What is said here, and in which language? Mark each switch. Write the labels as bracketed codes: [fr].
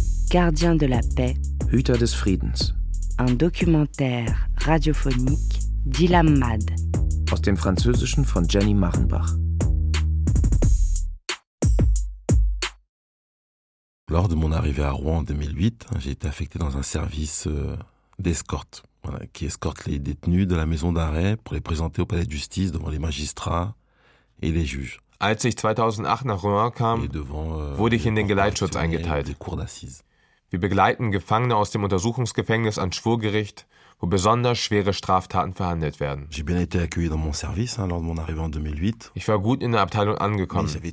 [fr] Gardien de la Paix, [de] Hüter des Friedens, [fr] un documentaire radiophonique d'Ilham Mad, [de] aus dem Französischen von Jenny Marrenbach. [fr] Lors de mon arrivée à Rouen en 2008, j'ai été affecté dans un service d'escorte, voilà, qui escorte les détenus de la maison d'arrêt pour les présenter au palais de justice devant les magistrats et les juges. [de] Als ich 2008 nach Rouen kam, wurde ich in den Geleitschutz eingeteilt. Wir begleiten Gefangene aus dem Untersuchungsgefängnis ans Schwurgericht, wo besonders schwere Straftaten verhandelt werden. Ich war gut in der Abteilung angekommen.